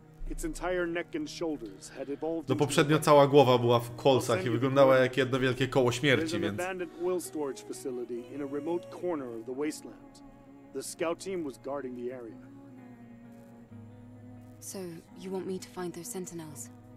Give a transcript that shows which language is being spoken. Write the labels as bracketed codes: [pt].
[en] Its entire neck and shoulders had evolved. [pl] No poprzednio cała głowa była w kolsach i wyglądała jak jedno wielkie koło śmierci, więc. [en] There's an abandoned oil storage facility in a remote corner of the wasteland. The scout team was guarding the area. So you want me to find those sentinels?